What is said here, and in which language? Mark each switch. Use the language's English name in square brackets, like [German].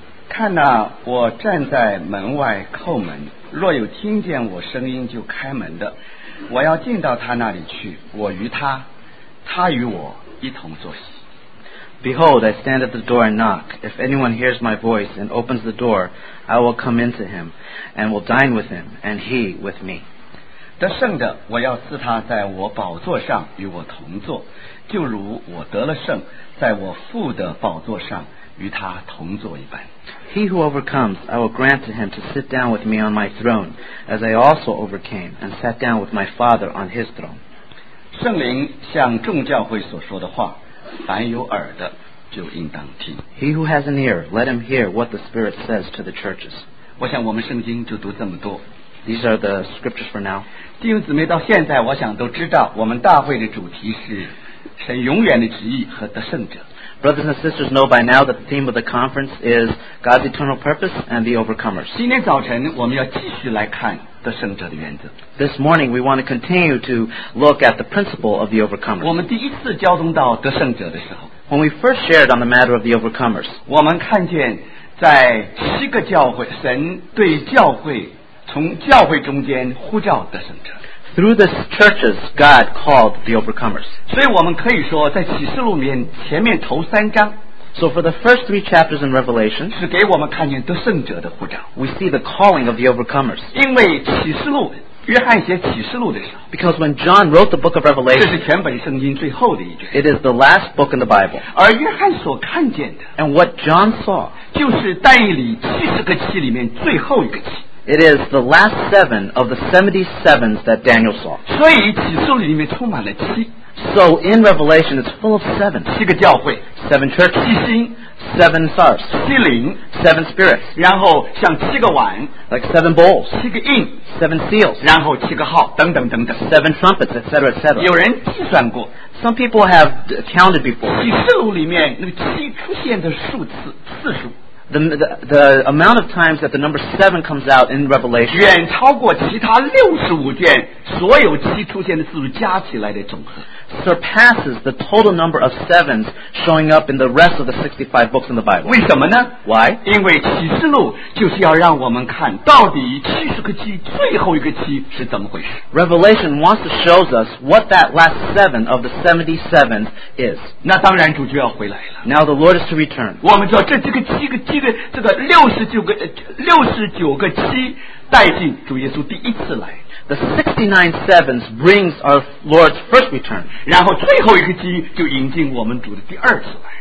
[Chinese] 看哪、我站在门外叩门，若有听见我声音就开门的，我要进到他那里去，我与他，他与我一同坐席。 [English] Behold, I stand at the door and knock. If anyone hears my voice and opens the door, I will come in to him and will dine with him, and he with me. [Chinese] 得胜的，我要赐他在我宝座上与我同坐，就如我得了胜，在我父的宝座上与他同坐一般。 [English] He who overcomes, I will grant to him to sit down with me on my throne, as I also overcame and sat down with my Father on his throne. [Chinese] 圣灵向众教会所说的话，凡有耳的就应当听。 [English] He who has an ear, let him hear what the Spirit says to the churches. [Chinese] 我想我们圣经就读这么多。 [English] These are the scriptures for now. [Chinese] 弟兄姊妹，到现在我想都知道，我们大会的主题是神永远的旨意和得胜者。 [English] Brothers and sisters know by now that the theme of the conference is God's eternal purpose and the overcomers. [Chinese] 今天早晨我们要继续来看得胜者的原则。 [English] This morning we want to continue to look at the principle of the overcomers. [Chinese] 我们第一次交通到得胜者的时候 [English] ，When we first shared on the matter of the overcomers, [Chinese] 我们看见在七个教会，神对教会。从教会中间呼召得胜者。 [English] Through the churches, God called the overcomers. [Chinese] 所以我们可以说，在启示录里面前面头三章。 [English] So for the first three chapters in Revelation, [Chinese] 是给我们看见得胜者的呼召。 [English] We see the calling of the overcomers. [Chinese] 因为启示录，约翰写启示录的时候。 [English] Because when John wrote the book of Revelation, [Chinese] 这是全本圣经最后的一卷。 [English] It is the last book in the Bible. [Chinese] 而约翰所看见的。 [English] And what John saw, [Chinese] 就是但以理七十个期里面最后一个期。 [English] It is the last seven of the 77s that Daniel saw. [Chinese] 所以启示录里面充满了七。 [English] So in Revelation, it's full of seven. [Chinese] 七个教会。 [English] Seven churches. [Chinese] 七星。 [English] Seven stars. [Chinese] 七灵。 [English] Seven spirits. [Chinese] 然后像七个碗。 [English] Like seven bowls. [Chinese] 七个印。 [English] Seven seals. [Chinese] 然后七个号，等等等等。 [English] Seven trumpets, etc., etc. [Chinese] 有人计算过。 [English] Some people have counted before. [Chinese] 启示录里面那个七出现的数次，次数。 [English] The amount of times that the number 7 comes out in Revelation [Chinese] 远超过其他65卷所有七出现的次数加起来的总和 [English] surpasses the total number of 7s showing up in the rest of the 65 books in the Bible. [Chinese] 为什么呢 [English] Why? [Chinese] 因为启示录就是要让我们看到底70个七最后一个七是怎么回事 [English] Revelation wants to show us what that last 7 of the 77th is. [Chinese] 那当然主就要回来了 [English] Now the Lord is to return. [Chinese] 我们知道这个七个这个69个七带进主耶稣第一次来 [English] The 69 sevens brings our Lord's first return [Chinese] 然后最后一个七就引进我们主的第二次来